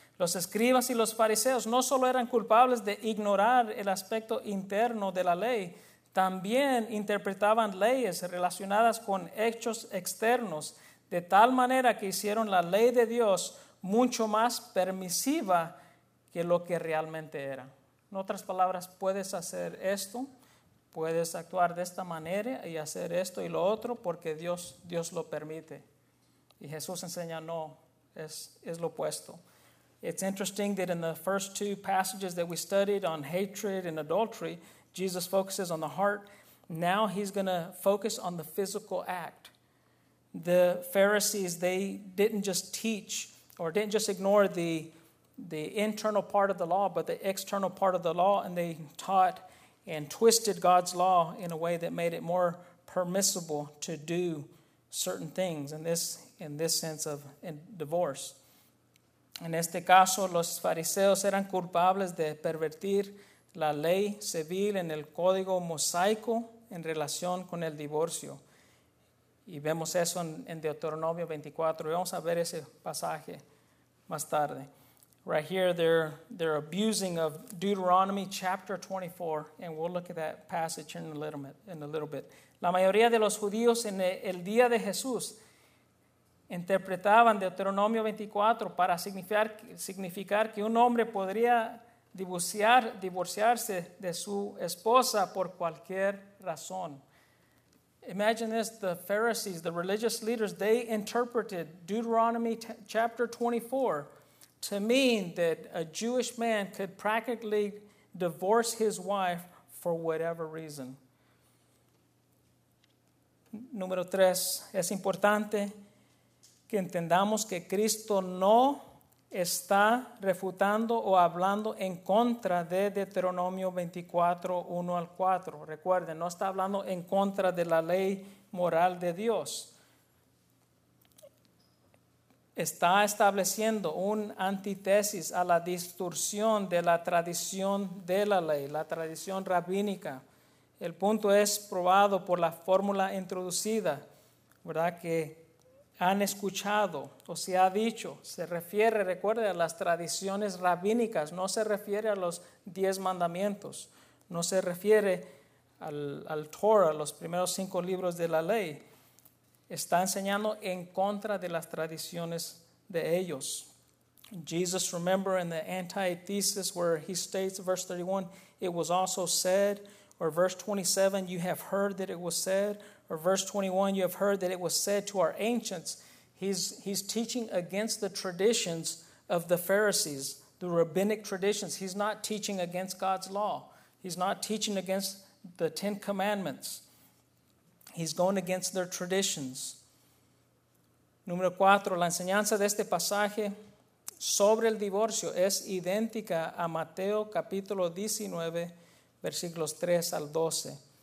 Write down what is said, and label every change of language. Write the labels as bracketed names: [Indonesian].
[Spanish] Los escribas y los fariseos no solo eran culpables de ignorar el aspecto interno de la ley, también interpretaban leyes relacionadas con hechos externos, de tal manera que hicieron la ley de Dios mucho más permisiva que lo que realmente era. En otras palabras, puedes hacer esto, puedes actuar de esta manera y hacer esto y lo otro porque Dios lo permite. Y Jesús enseña, no, es lo opuesto. [English] It's interesting that in the first two passages that we studied on hatred and adultery, Jesus focuses on the heart. Now he's going to focus on the physical act. The Pharisees, they didn't just teach or didn't just ignore the internal part of the law, but the external part of the law, and they taught and twisted God's law in a way that made it more permissible to do certain things in this sense of divorce. [Spanish] En este caso, los fariseos eran culpables de pervertir la ley civil en el código mosaico en relación con el divorcio. Y vemos eso en Deuteronomio 24. Y vamos a ver ese pasaje más tarde. [English] Right here, they're abusing of Deuteronomy chapter 24. And we'll look at that passage in a little bit. [Spanish] La mayoría de los judíos en el día de Jesús interpretaban Deuteronomio 24 para significar que un hombre podría divorciarse de su esposa por cualquier razón. [English] Imagine this, the Pharisees, the religious leaders, they interpreted Deuteronomy chapter 24 to mean that a Jewish man could practically divorce his wife for whatever reason. [Spanish] Número tres, es importante que entendamos que Cristo no está refutando o hablando en contra de Deuteronomio 24, 1 al 4. Recuerden, no está hablando en contra de la ley moral de Dios. Está estableciendo un antítesis a la distorsión de la tradición de la ley, la tradición rabínica. El punto es probado por la fórmula introducida, ¿verdad?, que han escuchado o se ha dicho, se refiere, recuerde, a las tradiciones rabínicas, no se refiere a los 10 mandamientos, no se refiere al Torah, los primeros 5 libros de la ley. Está enseñando en contra de las tradiciones de ellos. [English] Jesus, remember, in the antithesis where he states, verse 31, it was also said, or verse 27, you have heard that it was said, or verse 21, you have heard that it was said to our ancients. He's teaching against the traditions of the Pharisees, the rabbinic traditions. He's not teaching against God's law. He's not teaching against the 10 commandments. He's going against their traditions. [Spanish] Número cuatro, la enseñanza de este pasaje sobre el divorcio es idéntica a Mateo capítulo 19, versículos 3 al 12.